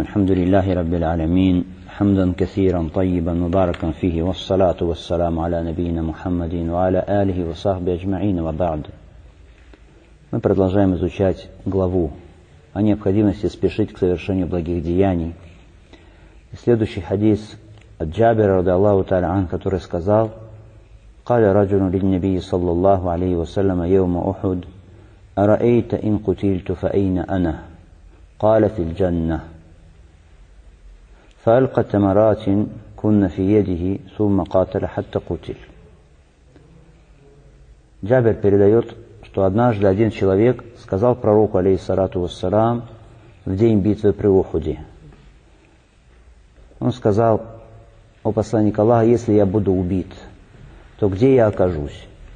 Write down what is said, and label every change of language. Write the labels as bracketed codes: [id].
[ar] الحمد لله رب العالمين، حمدا كثيرا طيبا مباركا فيه، والصلاة والسلام على نبينا محمد وعلى آله وصحبه أجمعين، وبعد. [ru] Мы продолжаем изучать главу о необходимости спешить к совершению благих деяний. Следующий хадис от Джабира رضي الله تعالى عنه, который сказал: [ar] قال رجل للنبي صلى الله عليه وسلم يوم أحد: أرأيت إن قتلت فأين أنا؟ قال: في الجنة. فألقى تمرات كن في يده ثم قاتل حتى قتل. [ru] Джабир передает, что однажды один человек сказал пророку, алейхиссалату вассалам, в день битвы при Ухуде. Он сказал: «О посланник Аллаха, если я буду убит, то где я окажусь?»